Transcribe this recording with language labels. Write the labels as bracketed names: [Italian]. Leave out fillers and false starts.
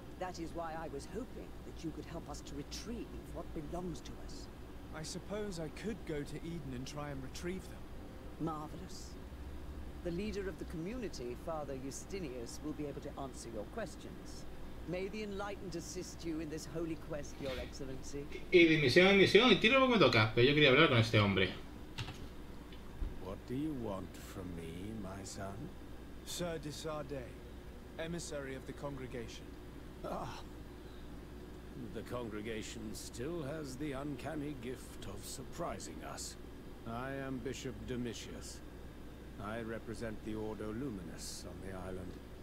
[English] That is why I was hoping that you could help us to retrieve what belongs to us. I suppose I could go to Eden and try and retrieve them. Marvelous. The leader of the community, Father Justinius, will be able to answer your questions. May the Enlightened assist you in this holy quest, Your Excellency. [Spanish] Y de misión en misión, y tiro lo que me toca, pero yo quería hablar con este hombre. [English] What do you want from me, my son? Sir de Sade, emissary of the congregation. Ah, the congregation still has the uncanny gift of surprising us. I am Bishop Domitius. I represent the Ordo Luminis on the island.